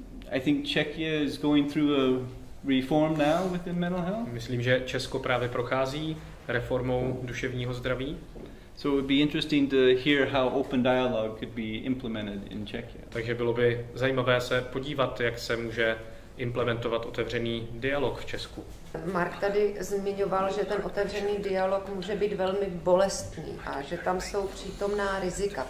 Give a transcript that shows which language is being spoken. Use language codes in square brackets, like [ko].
[en] I think Czechia is going through a reform now within mental health. [cs] Myslím, že Česko právě prochází reformou duševního zdraví. [en] So it would be interesting to hear how open dialogue could be implemented in Czechia. [cs] Takže bylo by zajímavé se podívat, jak se může implementovat otevřený dialog v Česku. Mark tady zmiňoval, že ten otevřený dialog může být velmi bolestný a že tam jsou přítomná rizika.